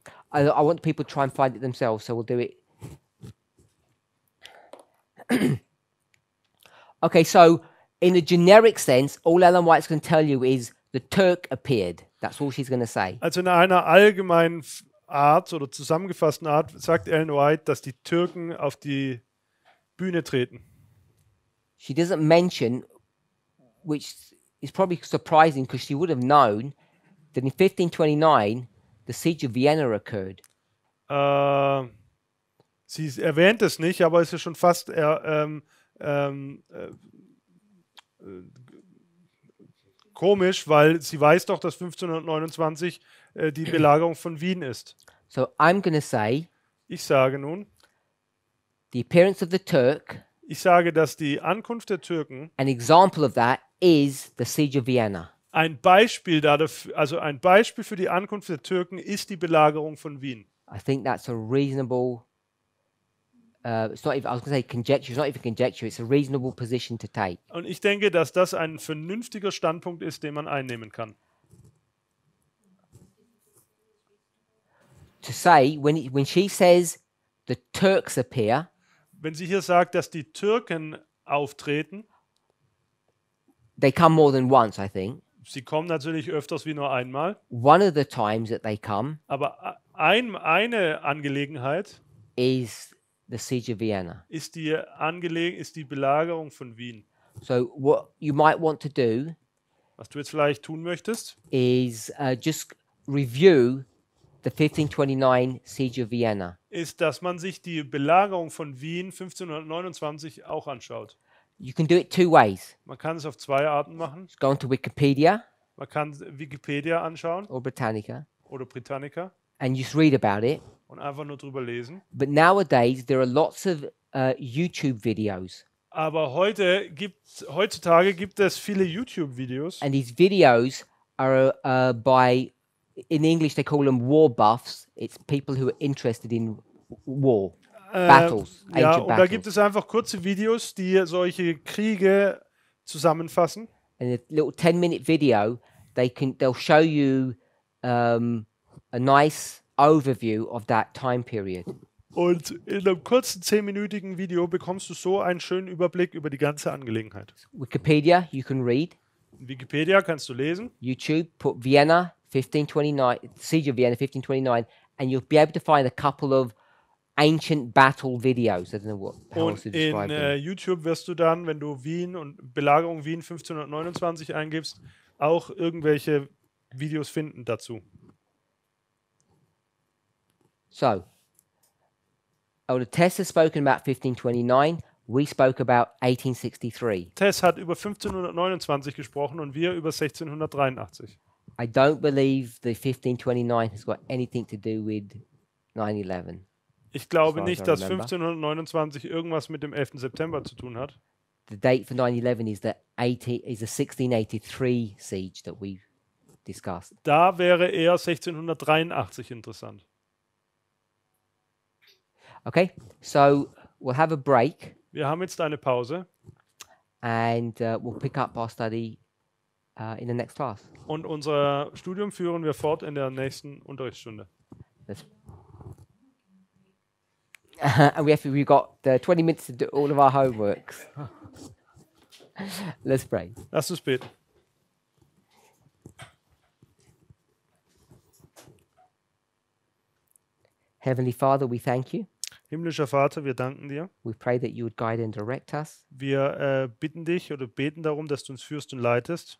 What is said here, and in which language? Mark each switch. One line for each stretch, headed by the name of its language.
English: I want people to try and find it themselves, so we'll do it. Okay, so in a generic sense, all Ellen White's going to tell you is the Turk appeared. That's all she's going to say.
German: Also in einer allgemeinen Art oder zusammengefassten Art sagt Ellen White, dass die Türken auf die Bühne treten.
English: She doesn't mention which is probably surprising because she would have known that in 1529 the siege of Vienna occurred.
German: Sie erwähnt es nicht, aber es ist schon fast komisch, weil sie weiß doch, dass 1529 die Belagerung von Wien ist.
English: So I'm gonna say,
German: ich sage nun,
English: the appearance of the Turk,
German: ich sage, dass die Ankunft der Türken,
English: an example of that is the siege of Vienna.
German: Ein Beispiel dafür, also ein Beispiel für die Ankunft der Türken ist die Belagerung von Wien.
English: I think that's a reasonable it's not even, I was going to say conjecture, it's not even conjecture, it's a reasonable position to take.
German: Und ich denke, dass das ein vernünftiger Standpunkt ist, den man einnehmen kann.
English: To say, when she says the Turks appear,
German: wenn sie hier sagt, dass die Türken auftreten,
English: they come more than once, I think.
German: Sie kommen natürlich öfters wie nur einmal.
English: One of the times that they come,
German: aber eine Angelegenheit
English: is the siege of Vienna.
German: Ist die Belagerung von Wien.
English: So what you might want to do,
German: was du jetzt vielleicht tun möchtest,
English: is just review the 1529 siege of Vienna.
German: Ist, dass man sich die Belagerung von Wien 1529 auch anschaut.
English: You can do it two ways.
German: Man kann es auf zwei Arten machen.
English: Go to Wikipedia.
German: Man kann Wikipedia anschauen.
English: Or Britannica.
German: Oder Britannica.
English: And just read about it.
German: Und einfach nur drüber lesen.
English: But nowadays there are lots of YouTube videos.
German: Aber heutzutage gibt es viele YouTube Videos.
English: And these videos are by, in English they call them war buffs. It's people who are interested in war. Battles,
German: ja,
English: ancient battles.
German: Und da gibt es einfach kurze Videos, die solche Kriege zusammenfassen.
English: In a little 10-minute video, they'll show you a nice overview of that time period.
German: Und in einem kurzen 10-minütigen Video bekommst du so einen schönen Überblick über die ganze Angelegenheit.
English: Wikipedia, you can read.
German: Wikipedia kannst du lesen.
English: YouTube, put Vienna 1529, Siege of Vienna 1529, and you'll be able to find a couple of ancient battle videos. I don't know what else to describe.
German: Und in YouTube wirst du dann, wenn du Wien und Belagerung Wien 1529 eingibst, auch irgendwelche Videos finden dazu.
English: So, Tess has spoken about 1529. We spoke about 1863.
German: Tess hat über 1529 gesprochen und wir über 1683.
English: I don't believe the 1529 has got anything to do with 9/11.
German: Ich glaube nicht, dass 1529 irgendwas mit dem 11. September zu tun hat.
English: The date for 9/11 is the 1683 siege that we discussed.
German: Da wäre eher 1683 interessant.
English: Okay, so we'll have a break.
German: Wir haben jetzt eine Pause.
English: And we'll pick up our study in the next class.
German: Und unser Studium führen wir fort in der nächsten Unterrichtsstunde.
English: And we've got 20 minutes to do all of our homeworks. Let's pray.
German: Lass uns beten.
English: Heavenly Father, we thank you.
German: Himmlischer Vater, wir danken dir.
English: We pray that you would guide and direct us.
German: Wir bitten dich oder beten darum, dass du uns führst und leitest.